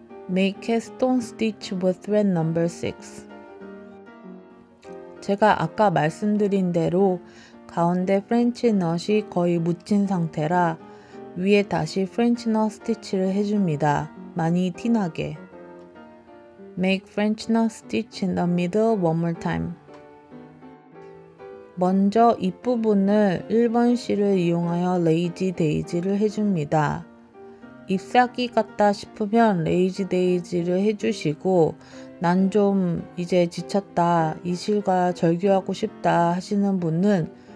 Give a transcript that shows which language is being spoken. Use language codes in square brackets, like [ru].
[en] Make a stone stitch with thread number 6. [ko] 제가 아까 말씀드린 대로 가운데 프렌치넛이 거의 묻힌 상태라 위에 다시 프렌치넛 스티치를 해줍니다. 많이 티나게. [en] Make frenchnut stitch in the middle one more time. [ko] 먼저 입부분을 1번 실을 이용하여 레이지 데이지를 해줍니다. 잎사귀 같다 싶으면 레이지 데이지를 해주시고 난 좀 이제 지쳤다, 이 실과 절교하고 싶다 하시는 분은